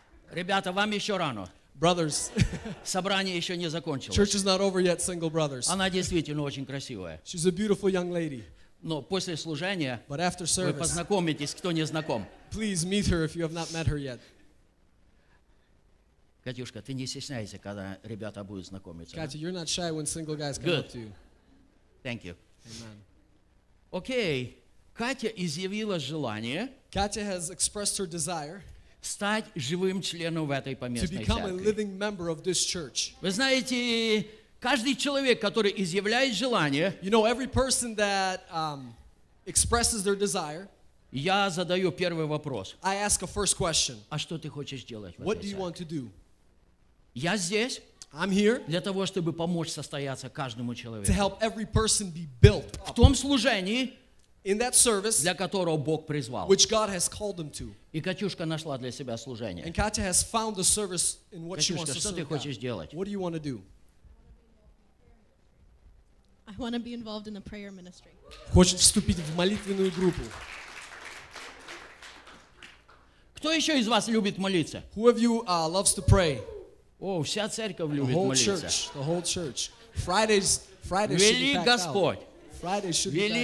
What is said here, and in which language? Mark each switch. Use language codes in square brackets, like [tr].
[ru] Ребята, вам еще рано. [en] Brothers. [ru] Собрание еще не закончилось. [en] Church is not over yet, single brothers. [ru] Она действительно очень красивая. [en] She's a beautiful young lady. [ru] Но после служения [en] but after service, [ru] вы познакомитесь, кто не знаком. [en] Please meet her if you have not met her yet. [ru] Катюшка, ты не стесняйся, когда ребята будут знакомиться. [en] Катя, you're not shy when single guys come Good. Up to you. Thank you. Amen. Okay. [ru] Катя изъявила желание. [en] Катя has expressed her desire. [ru] Стать живым членом в этой поместной церкви. [en] To become a living member of this church. [ru] Вы знаете, каждый человек, который изъявляет желание, [en] you know, every person that expresses their desire, [ru] я задаю первый вопрос. [en] I ask a first question. [ru] А что ты хочешь делать? [en] What do you want to do? [ru] Я здесь. [en] I'm here [ru] для того, чтобы помочь состояться каждому человеку. [en] To help every person be built up. [ru] В том служении, [en] in that service, [ru] для которого Бог призвал. [en] Which God has called them to. [ru] И Катюшка нашла для себя служение. [en] And Katya has found the service in what [ru] Катюшка, [en] she wants to serve. [ru] Что ты хочешь делать? [en] What do you want to do? I want to be involved in the prayer ministry. [ru] Хочет вступить в молитвенную группу. Кто еще из вас любит молиться? [en] Who of you loves to pray? [ru] О, вся церковь любит [en] the whole [ru] молиться. [en] Church, the whole church. Fridays [ru] Вели [en] should be [ru] Господь. [en] Out. Fridays should [ru] Вели